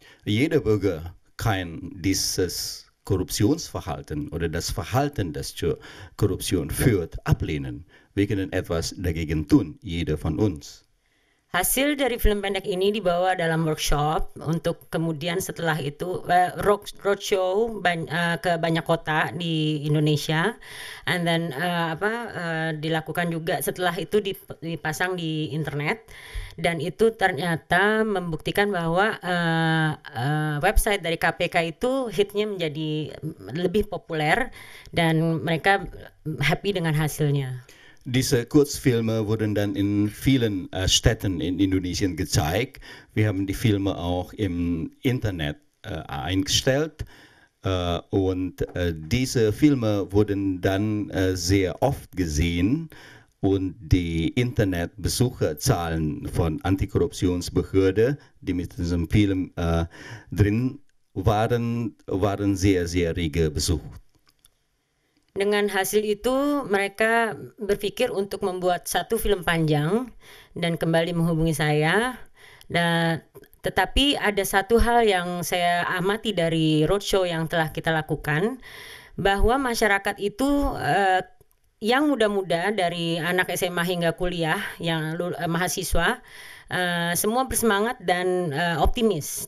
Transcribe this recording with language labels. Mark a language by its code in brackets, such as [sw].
[de] Jeder Bürger kann dieses Korruptionsverhalten oder das Verhalten, das zur Korruption führt, ablehnen. wir können etwas dagegen tun, jeder von uns. [id] Hasil dari film pendek ini dibawa dalam workshop untuk kemudian setelah itu roadshow ke banyak kota di Indonesia, [en] and then [id] dilakukan juga setelah itu dipasang di internet, dan itu ternyata membuktikan bahwa website dari KPK itu hitnya menjadi lebih populer dan mereka happy dengan hasilnya. [de] Diese Kurzfilme wurden dann in vielen Städten in Indonesien gezeigt. Wir haben die Filme auch im Internet eingestellt. Und diese Filme wurden dann sehr oft gesehen. Und die Internetbesucherzahlen von Antikorruptionsbehörde, die mit diesem Film drin waren, waren sehr, sehr rege besucht. [id] Dengan hasil itu, mereka berpikir untuk membuat satu film panjang dan kembali menghubungi saya. Dan, tetapi ada satu hal yang saya amati dari roadshow yang telah kita lakukan, bahwa masyarakat itu yang muda-muda dari anak SMA hingga kuliah, yang mahasiswa, semua bersemangat dan optimis.